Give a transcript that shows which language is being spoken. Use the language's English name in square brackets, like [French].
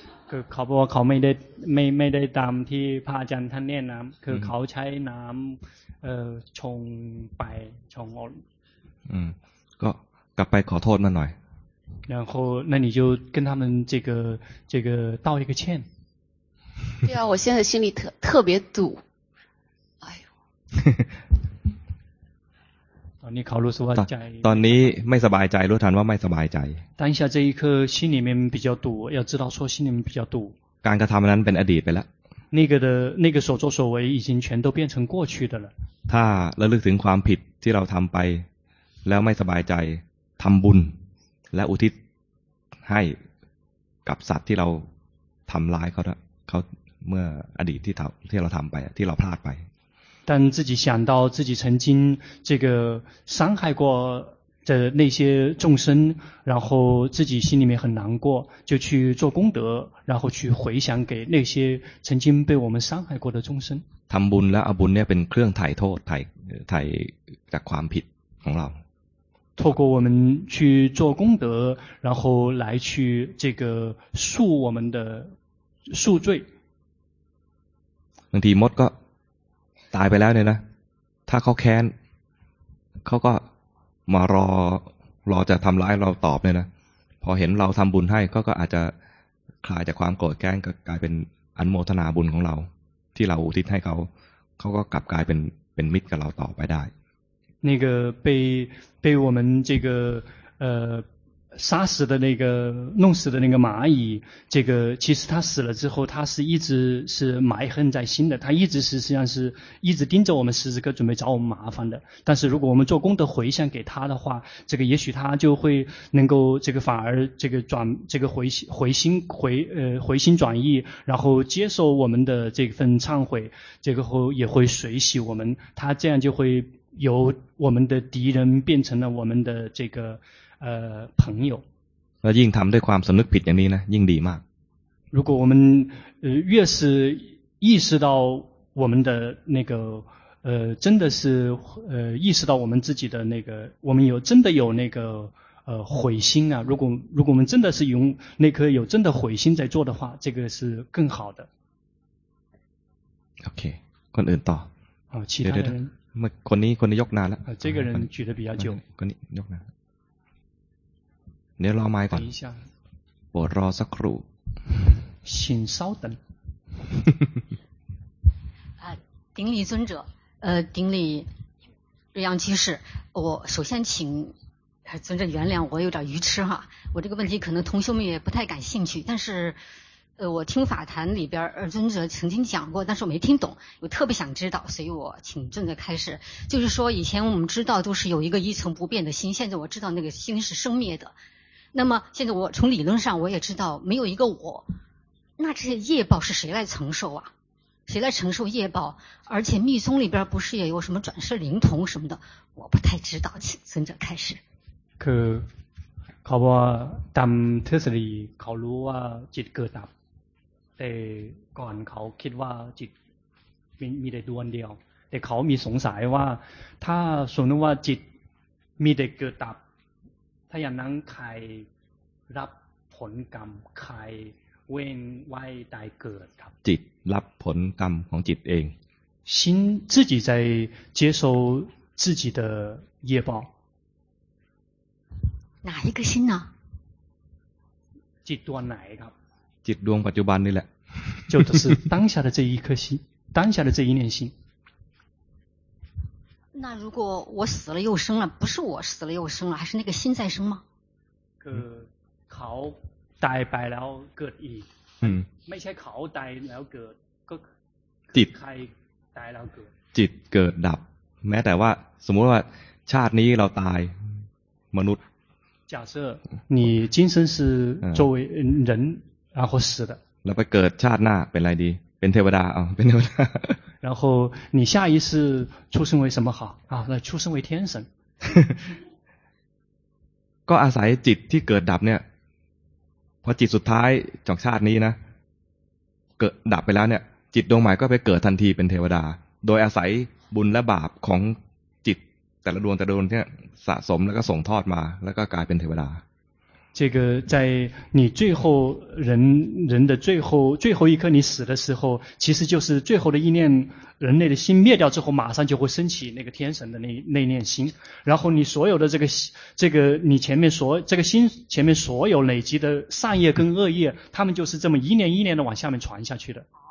[Thai] คือเขาบอกว่าเขาไม่ได้ตามที่พระอาจารย์ท่านเนี่ยน้ำคือเขาใช้น้ำชงไปชงอ้น ก็กลับไปขอโทษมาหน่อย [Chinese] 然后那你就跟他们这个道一个歉对啊我现在心里特别堵哎呦 [Thai] ตอนนี้เขารู้สึกว่าใจ ตอนนี้ไม่สบายใจรู้ทันว่าไม่สบายใจ [Chinese] 当下这一刻心里面比较堵要知道说心里面比较堵 [Thai] การกระทำนั้นเป็นอดีตไปแล้ว [Chinese] 那个所作所为已经全都变成过去的了 [Thai] ถ้าระลึกถึงความผิดที่เราทำไปแล้วไม่สบายใจทำบุญและอุทิศให้กับสัตว์ที่เราทำร้ายเขาเมื่ออดีตที่เราทำไปที่เราพลาดไป [Chinese] 但自己想到自己曾经这个伤害过的那些众生然后自己心里面很难过就去做功德然后去回想给那些曾经被我们伤害过的众生 [Thai] ทำบุญและเอาบุญเนี่ยเป็นเครื่องไถ่โทษไถ่จากความผิดของเรา [Chinese] 透过我们去做功德然后来去这个赎我们的赎罪 [Thai] บางทีมดก็ตายไปแล้วเนี่ยนะถ้าเขาแค้นเขาก็มารอรอจะทำร้ายเราตอบเนี่ยนะพอเห็นเราทำบุญให้เขาก็อาจจะคลายจากความโกรธแค้นก็กลายเป็นอนุโมทนาบุญของเราที่เราอุทิศให้เขาก็กลับกลายเป็น ป็นมิตรกับเราต่อไปได้ [Chinese] 那个被被我们这个杀死的那个弄死的那个蚂蚁这个其实它死了之后它是一直是埋恨在心的它一直是实际上是一直盯着我们十字哥准备找我们麻烦的但是如果我们做功德回向给他的话这个也许他就会能够这个反而这个转这个回心转意然后接受我们的这份忏悔这个后也会随喜我们他这样就会由我们的敌人变成了我们的这个朋友 [Thai] แล้วยิ่งทำด้วยความสำนึกผิดอย่างนี้นะยิ่งดีมาก [Chinese] 如果我们越是意识到我们的那个真的是意识到我们自己的那个我们有真的有那个悔心啊如果我们真的是用那颗有真的悔心在做的话这个是更好的 [Thai] OK คนอื่นต่อ [Chinese] 好其他人 [Thai] คนนี้คนนี้ยกนานแล้ว [Chinese] 这个人举得比较久 [Thai] คนนี้ยกนานเดี๋ยวรอไม้ก่อนปวดรอสักครู่ [Chinese] 请稍等顶礼尊者顶礼瑞阳居士我首先请尊者原谅我有点愚痴哈我这个问题可能同修们也不太感兴趣但是我听法坛里边尊者曾经讲过但是我没听懂我特别想知道所以我请尊者开始就是说以前我们知道都是有一个一层不变的心现在我知道那个心是生灭的那么现在我从理论上我也知道没有一个我那这些业报是谁来承受啊谁来承受业报而且密宗里边不是也有什么转世灵童什么的我不太知道请尊者开始 그가봐담테슬리가루와짓그담 [Thai] แต่ก่อนเขาคิดว่าจิตมีแต่ดวงเดียวแต่เขามีสงสัยว่าถ้าสมมติว่าจิตมีแต่เกิดดับถ้าอย่างนั้นใครรับผลกรรมใครเว้นไว้ตายเกิดครับ จิตรับผลกรรมของจิตเอง [Chinese] 心自己在接受自己的业报哪一个心呢 [Thai] จิตตัวไหนครับ จิตดวงปัจจุบันนี่แหละ [Chinese] 就是当下的这一颗心当下的这一念心那如果我死了又生了不是我死了又生了还是那个心在生吗 [Thai] เขาตายไปแล้วเกิดอีกไม่ใช่เขาตายแล้วเกิดก็ จิต ใครตายแล้วเกิด จิตเกิดดับแม้แต่ว่าสมมติว่าชาตินี้เราตายมนุษย์ [Chinese] 假设你今生是作为人然后死的 [Thai] แล้วไปเกิดชาติหน้าเป็นอะไรดีเป็นเทวดาอ๋อเป็นเทวดา [Chinese] 然后你下一世出生为什么好啊那出生为天神 [Thai] ก็อาศัยจิตที่เกิดดับเนี่ยพอจิตสุดท้ายจากชาตินี้นะเกิดดับไปแล้วเนี่ยจิตดวงใหม่ก็ไปเกิดทันทีเป็นเทวดาโดยอาศัยบุญและบาปของจิตแต่ละดวงแต่ละดวงเนี่ยสะสมแล้วก็ส่งทอดมาแล้วก็กลายเป็นเทวดา [Chinese] 这个在你最后人的最后一刻你死的时候其实就是最后的一念人类的心灭掉之后马上就会升起那个天神的那念心然后你所有的这个你前面所这个心前面所有累积的善业跟恶业他们就是这么一念一念的往下面传下去的